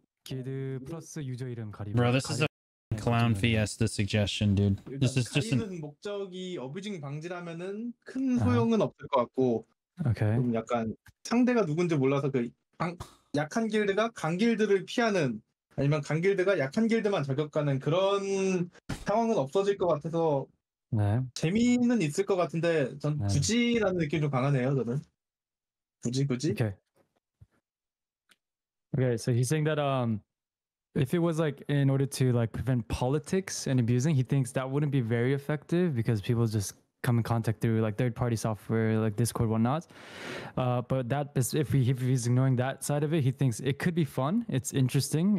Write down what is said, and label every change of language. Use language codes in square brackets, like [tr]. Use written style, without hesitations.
[en] Bro, this is a clown fiesta suggestion, dude. This is just. [ko] 가리는 목적이 어뷰징 방지라면은 큰 소용은 없을 것 같고. [en] Okay. [ko] 좀 약간 상대가 누군지 몰라서 그 약한 길드가 강 길드를 피하는 아니면 강 길드가 약한 길드만 저격하는 그런 상황은 없어질 것 같아서. 네. 재미는 있을 것 같은데 전 굳이라는 느낌이 좀 강하네요, 저는. 굳이 굳이. [en] Okay. Okay, so he's saying that if it was like in order to like prevent politics and abusing, he thinks that wouldn't be very effective because people just come in contact through like third-party software, like Discord, whatnot. But that is, if he's ignoring that side of it, he thinks it could be fun. It's interesting.